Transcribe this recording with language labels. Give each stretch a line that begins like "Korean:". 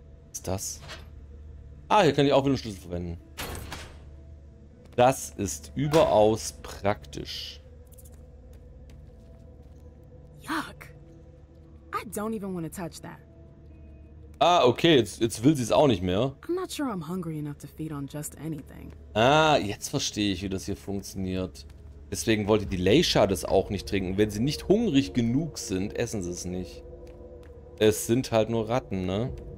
German: Was ist das? Ah, hier kann ich auch wieder Schlüssel verwenden. Das ist überaus praktisch.
English: Yuck. I don't even want to touch that.
German: Ah, okay, jetzt will sie es auch nicht mehr.
English: I'm not sure I'm hungry enough to feed on just anything.
German: Ah, jetzt verstehe ich, wie das hier funktioniert. Deswegen wollte die Leisha das auch nicht trinken. Wenn sie nicht hungrig genug sind, essen sie es nicht. Es sind halt nur Ratten, ne?